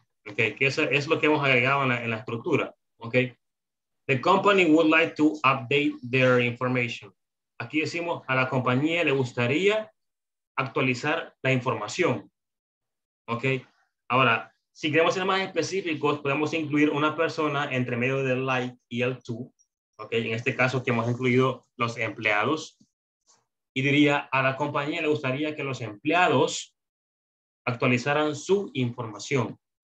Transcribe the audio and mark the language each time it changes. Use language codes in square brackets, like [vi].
[es] Okay, que eso es lo que hemos agregado en la estructura. [en] Okay. The company would like to update their information. [es] Aquí decimos a la compañía le gustaría actualizar la información. Okay. Ahora, si queremos ser más específicos, podemos incluir una persona entre medio del like y el to. Okay. En este caso, que hemos incluido los empleados. Y diría a la compañía le gustaría que los empleados actualizaran su información.